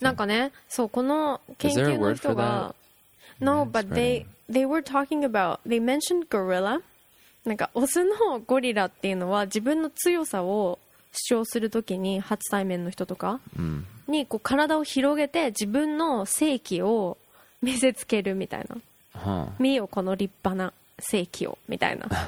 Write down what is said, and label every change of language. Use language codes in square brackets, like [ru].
[ja] なんかね、そうこの研究の人が、 [en] Is there a word for that? No, but they were talking about they mentioned gorilla. [ja] なんかオスのゴリラっていうのは自分の強さを主張するときに初対面の人とかにこう体を広げて自分の性器を見せつけるみたいな。見よこの立派な性器をみたいな。